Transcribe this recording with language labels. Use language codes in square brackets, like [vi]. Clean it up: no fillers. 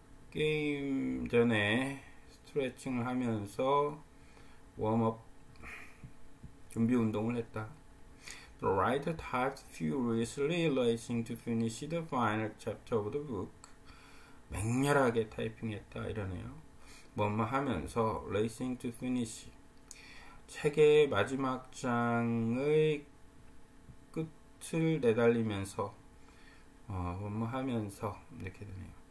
[ko] 게임 전에 스트레칭을 하면서 웜업 준비 운동을 했다. [en] The writer typed furiously, racing to finish the final chapter of the book. [ko] 맹렬하게 타이핑했다 이러네요. 뭐뭐하면서 [en] racing to finish. [ko] 책의 마지막 장의 끝을 내달리면서 하면서 이렇게 되네요.